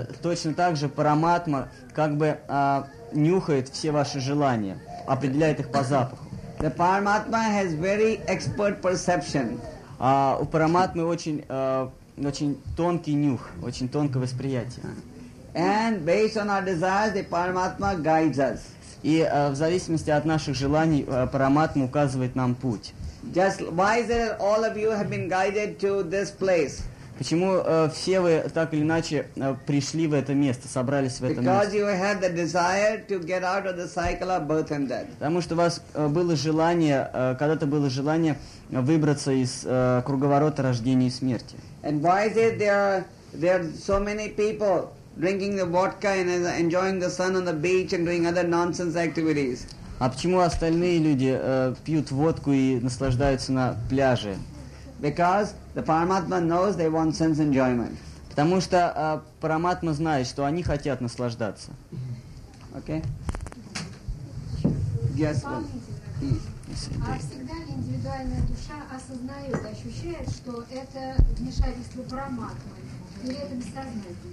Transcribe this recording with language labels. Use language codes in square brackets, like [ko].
[ru] Точно так же Параматма как бы нюхает все ваши желания, определяет их по запаху. [en] The Paramatma has very expert perception. [ru] У Параматмы очень тонкий нюх, очень тонкое восприятие. [en] And based on our desires, the Paramatma guides us. [ru] И в зависимости от наших желаний Параматма указывает нам путь. [en] Just why is it all of you have been guided to this place? [ru] Почему все вы так или иначе пришли в это место, собрались в это [en] Because [ru] место? [en] Because you had the desire to get out of the cycle of birth and death. [ru] Потому что у вас было желание, когда-то было желание выбраться из круговорота рождения и смерти. [en] And why is it there are so many people drinking the vodka and enjoying the sun on the beach and doing other nonsense activities? [ru] А почему остальные люди пьют водку и наслаждаются на пляже? [en] Because the Paramatma knows they want sense enjoyment. [ru] Потому что Параматма знает, что они хотят наслаждаться. [en] Okay. Yes. [ru] А всегда ли индивидуальная душа осознает, ощущает, что это вмешательство Параматмы или это бессознательно?